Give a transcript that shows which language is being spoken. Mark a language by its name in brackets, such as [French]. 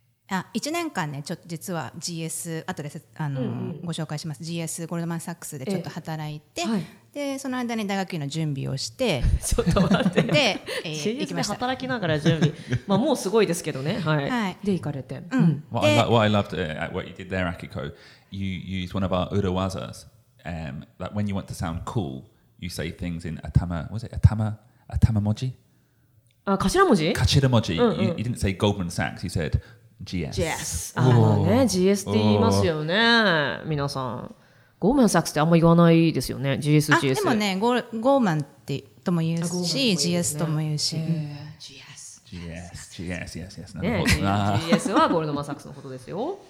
[Japanese] あ、1年間ね、ちょっと実は GS、 後でご紹介します。 GS ゴールドマンサックスでちょっと働いて、でその間に大学院の準備をしてちょっと待ってで、行きました。 GS で働きながら準備まあもうすごいですけどね、で行かれて、 [English] What I loved at what you did there, Akiko, you used one of our urawazas, that when you want to sound cool, you say things in atama, was it atama? Atama moji? [Japanese] あ、頭文字？頭文字。 [English] You didn't say Goldman Sachs, you said GS。 [Japanese] あのね、GS って言いますよね、皆さん。ゴーマンサックスってあんま言わないですよね。GS、GS。あ、でもね、ゴーマンってとも言うし、GS とも言うし。 GS はゴールドマンサックスのことですよ。